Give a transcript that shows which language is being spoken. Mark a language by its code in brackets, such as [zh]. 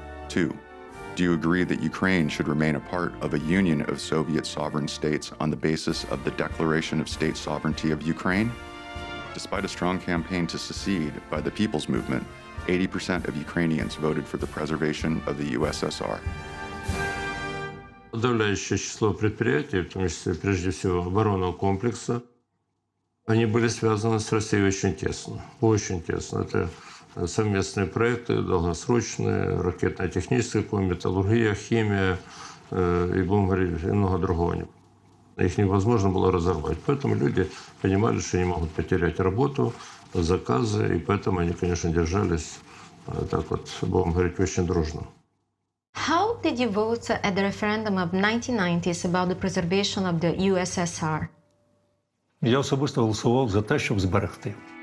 [en] Two, do you agree that Ukraine should remain a part of a union of Soviet sovereign states on the basis of the Declaration of State Sovereignty of Ukraine? Despite a strong campaign to secede by the People's Movement, 80% of Ukrainians voted for the preservation of the USSR. [ru] Подавляюще число предприятий, [uk] в тому числі, [ru] прежде всего, [uk] оборонного комплекса, вони були зв'язані з Росією дуже тісно, дуже тісно. Це совместні проекти, довгосрочні, ракетна технічна, металургія, хімія і багато другого. Їх невозможно було розірвати. [ru] Поэтому люди понимали, [uk] що вони можуть потеряти роботу, закази, і поэтому вони, звісно, держались так от, будемо говорити, дуже дружно. [en] How did you vote at the referendum of 1990s about the preservation of the USSR? [uk] Я особисто голосував за те, щоб зберегти.